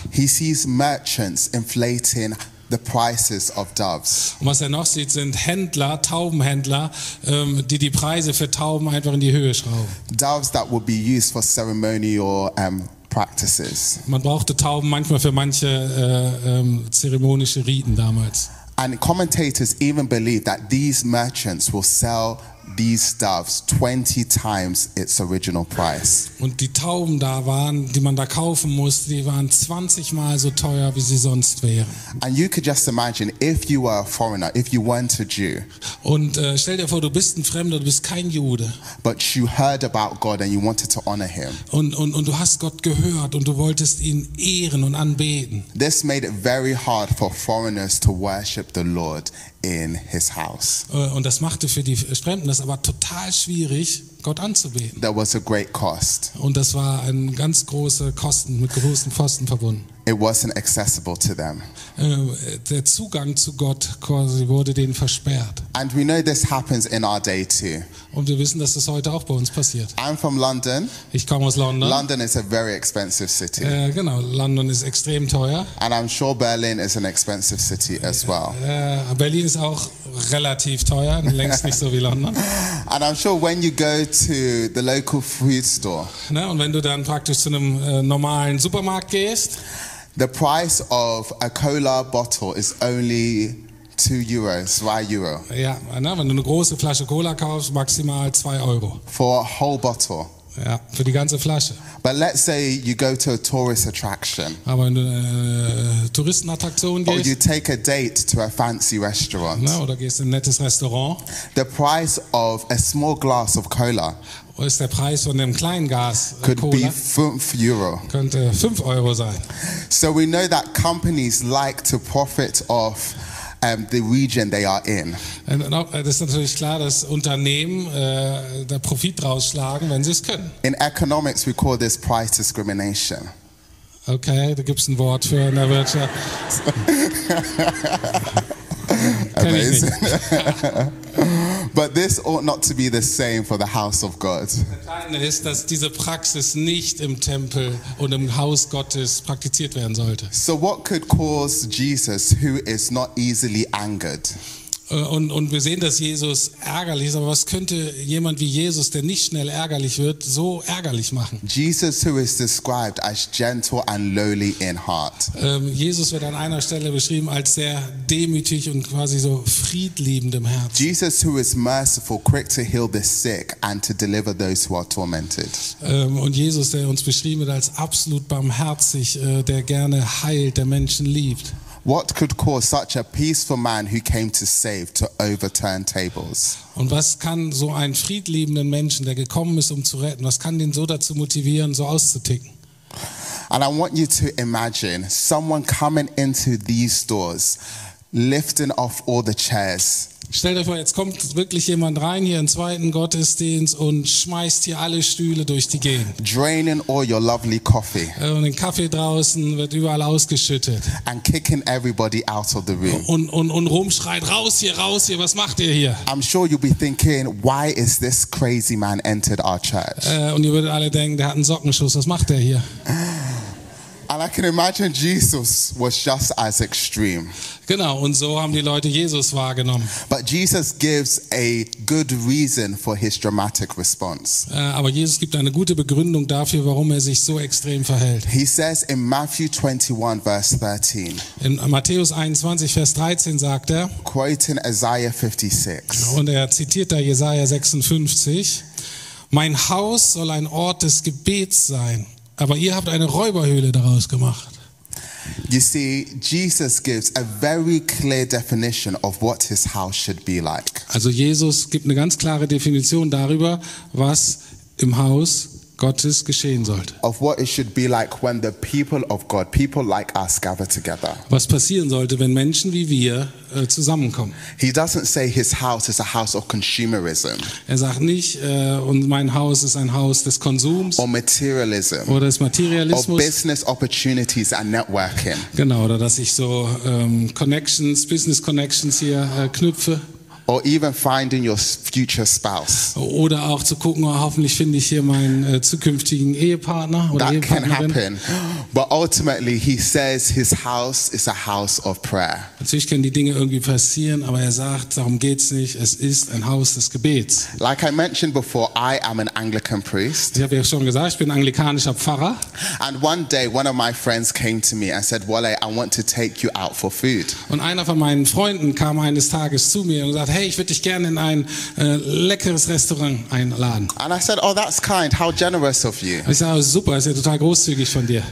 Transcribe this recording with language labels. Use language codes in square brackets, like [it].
[en] He sees merchants inflating the prices of doves. [de] Und was er noch sieht, sind Händler, Taubenhändler, die Preise für Tauben einfach in die Höhe schrauben. [en] Doves that would be used for ceremonial practices. [de] Man brauchte Tauben manchmal für manche zeremonische Riten damals. [en] And commentators even believe that these merchants will sell these doves 20 times its original price. [de] Und die Tauben da waren, die man da kaufen musste, die waren 20 mal so teuer, wie sie sonst wären. [en] And you could just imagine if you were a foreigner, if you weren't a Jew. [de] Und stell dir vor, du bist ein Fremder, du bist kein Jude. [en] But you heard about God and you wanted to honor him. [de] Und du hast Gott gehört und du wolltest ihn ehren und anbeten. [en] This made it very hard for foreigners to worship the Lord in his house. [de] Und das machte für die Fremden das aber total schwierig, Gott anzubeten. [en] That was a great cost. [de] Und das war ein ganz große Kosten, mit großen Kosten verbunden. [en] It wasn't accessible to them. [de] Der Zugang zu Gott quasi wurde denen versperrt. [en] And we know this happens in our day too. [de] Und wir wissen, dass das heute auch bei uns passiert. [en] I'm from London. [de] Ich komme aus London. [en] London is a very expensive city. [de] Genau, London ist extrem teuer. [en] And I'm sure Berlin is an expensive city as well. [de] Berlin ist auch relativ teuer, längst nicht so wie London. [en] And I'm sure when you go to the local food store. [de] Na, und wenn du dann praktisch zu einem normalen Supermarkt gehst, [en] the price of a cola bottle is only 2 euro, 2 euro. [de] Ja, na, wenn du eine große Flasche Cola kaufst, maximal 2 euro. [en] For a whole bottle. [de] Ja, für die ganze Flasche. [en] But let's say you go to a tourist attraction. [de] Aber wenn du Touristenattraktion gehst. [en] Or you take a date to a fancy restaurant. [de] Na, oder gehst in ein nettes Restaurant. [en] The price of a small glass of cola. [de] Ist der Preis von dem kleinen Glas Cola? [en] Could be 5 euro. [de] Könnte 5 euro sein. So we know that companies like to profit off the region they are in. Das ist natürlich klar, dass Unternehmen da Profit rausschlagen, wenn sie es können. In economics we call this price discrimination. Okay, da gibt's ein Wort für in der Wirtschaft. [en] Amazing. But this ought not to be the same for the house of God. [de] Ist, dass diese Praxis nicht im Tempel und im Haus Gottes praktiziert werden sollte. [en] So what could cause Jesus, who is not easily angered? [de] Und wir sehen, dass Jesus ärgerlich ist, aber was könnte jemand wie Jesus, der nicht schnell ärgerlich wird, so ärgerlich machen? [en] Jesus, who is described as gentle and lowly in heart. [de] Jesus wird an einer Stelle beschrieben als sehr demütig und quasi so friedliebend im Herzen. [en] Jesus, who is merciful, quick to heal the sick and to deliver those who are tormented. [de] Und Jesus, der uns beschrieben wird als absolut barmherzig, der gerne heilt, der Menschen liebt. [en] What could cause such a peaceful man who came to save to overturn tables? [de] Und was kann so einen friedliebenden Menschen, der gekommen ist, um zu retten, was kann den so dazu motivieren, so auszuticken? [en] And I want you to imagine someone coming into these doors. lifting off all the chairs. [de] Stell dir vor, jetzt kommt wirklich jemand rein hier im zweiten Gottesdienst und schmeißt hier alle Stühle durch die Gegend. [en] Draining all your lovely coffee. [de] Und den Kaffee draußen wird überall ausgeschüttet. [en] And kicking everybody out of the room. [de] Und rumschreit, raus hier, was macht ihr hier? [en] I'm sure you'll be thinking, why is this crazy man entered our church? [de] Und ihr würdet alle denken, der hat einen Sockenschuss, was macht der hier? [en] And I can imagine Jesus was just as extreme. [de] Genau, und so haben die Leute Jesus wahrgenommen. [en] But Jesus gives a good reason for his dramatic response. [de] Aber Jesus gibt eine gute Begründung dafür, warum er sich so extrem verhält. [en] He says in Matthew 21 verse 13. [de] In Matthäus 21 Vers 13 sagt er. [en] Quoting Isaiah 56. [de] Und er zitiert da Jesaja 56. Mein Haus soll ein Ort des Gebets sein. Aber ihr habt eine Räuberhöhle daraus gemacht. [en] You see, Jesus gives a very clear definition of what his house should be like. [de] Also Jesus gibt eine ganz klare Definition darüber, was im Haus Gottes geschehen sollte. [en] Of what it should be like when the people of God, people like us, gather together. [de] Was passieren sollte, wenn Menschen wie wir zusammenkommen? [en] He doesn't say his house is a house of consumerism. [de] Er sagt nicht, und mein Haus ist ein Haus des Konsums. [en] Or materialism. [de] Oder des Materialismus. [en] Or business opportunities and networking. [de] Genau, oder dass ich so Connections, Business Connections hier knüpfe. [en] Or even finding your future spouse. [de] Oder auch zu gucken, oh, hoffentlich finde ich hier meinen zukünftigen Ehepartner oder [en] that Ehepartnerin. That can happen. But ultimately he says his house is a house of prayer. [de] Natürlich können die Dinge irgendwie passieren, aber er sagt, darum geht's nicht, es ist ein Haus des Gebets. [en] Like I mentioned before, I am an Anglican priest. [de] Ich habe ja schon gesagt, ich bin anglikanischer Pfarrer. [en] And one day one of my friends came to me and said, Wale, I want to take you out for food. [de] Und einer von meinen Freunden kam eines Tages zu mir und sagte, hey, ich würde dich gerne in ein leckeres Restaurant einladen. [en] And I said, oh, that's kind. How generous of you. [de] Ich sagte, super, ist ja total großzügig von dir.